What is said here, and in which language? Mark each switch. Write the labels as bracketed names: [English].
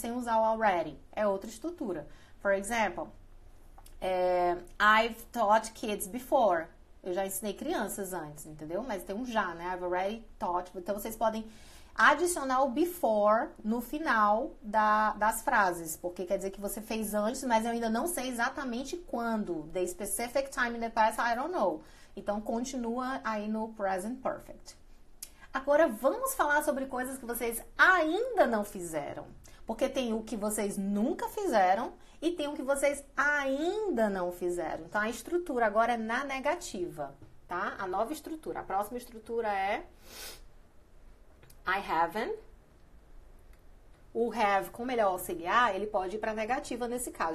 [Portuguese] Sem usar o already, é outra estrutura. [English] For example, I've taught kids before. [Portuguese] Eu já ensinei crianças antes, entendeu? Mas tem um já, né? [English] I've already taught. [Portuguese] Então, vocês podem adicionar o before no final das frases. Porque quer dizer que você fez antes, mas eu ainda não sei exatamente quando. [English] The specific time in the past, I don't know. [Portuguese] Então, continua aí no present perfect. Agora, vamos falar sobre coisas que vocês ainda não fizeram. Porque tem o que vocês nunca fizeram e tem o que vocês ainda não fizeram. Então, a estrutura agora é na negativa, tá? A nova estrutura. A próxima estrutura é I haven't. O have, como ele é auxiliar, ele pode ir para negativa nesse caso.